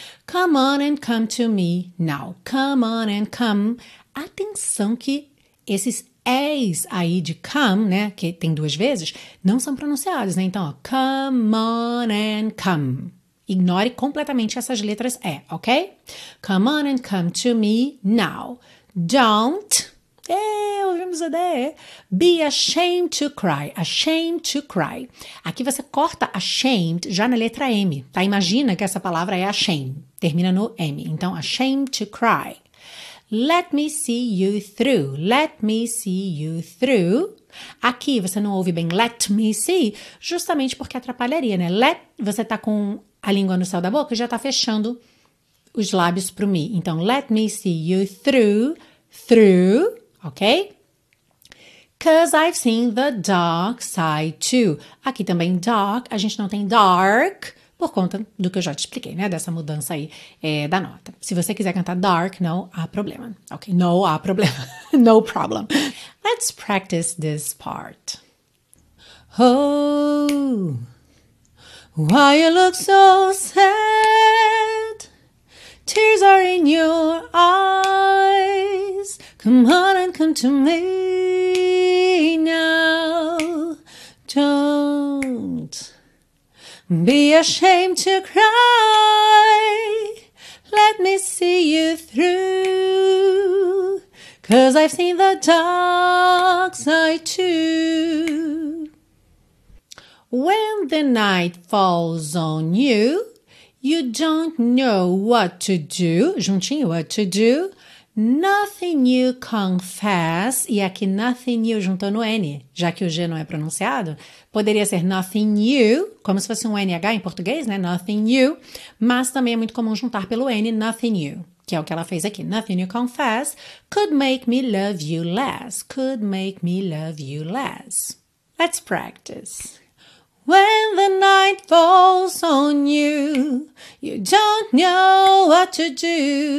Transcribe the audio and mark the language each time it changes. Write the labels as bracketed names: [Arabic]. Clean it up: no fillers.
[English] Come on and come to me now. Come on and come. [Portuguese] Atenção que esses E's aí de come, né, que tem duas vezes, não são pronunciados, né? Então, ó, [English] come on and come. [Portuguese] Ignore completamente essas letras E, ok? [English] Come on and come to me now. Don't, [Portuguese] ouvimos a D, [English] be ashamed to cry, ashamed to cry. [Portuguese] Aqui você corta ashamed já na letra M, tá? Imagina que essa palavra é ashamed, termina no M. [English] Então, ashamed to cry. Let me see you through, let me see you through. [Portuguese] Aqui você não ouve bem [English] let me see, [Portuguese] justamente porque atrapalharia, né? Let, você tá com a língua no céu da boca e já tá fechando os lábios pro me. [English] Então, let me see you through, through, ok? Cause I've seen the dark side too. [Portuguese] Aqui também dark, a gente não tem dark, por conta do que eu já te expliquei, né? Dessa mudança aí da nota. Se você quiser cantar dark, não há problema. Ok, não há problema. [English] No problem. Let's practice this part. Oh, why you look so sad? Tears are in your eyes. Come on and come to me now. Don't be ashamed to cry, let me see you through, cause I've seen the dark side too. When the night falls on you, you don't know what to do. Juntinho, what to do. Nothing you confess. [Portuguese] E aqui [English] nothing you [Portuguese] juntando N, já que o G não é pronunciado. Poderia ser [English] nothing you, [Portuguese] como se fosse um NH em português, né? [English] Nothing you. [Portuguese] Mas também é muito comum juntar pelo N, [English] nothing you. [Portuguese] Que é o que ela fez aqui. [English] Nothing you confess could make me love you less. Could make me love you less. Let's practice. When the night falls on you, you don't know what to do.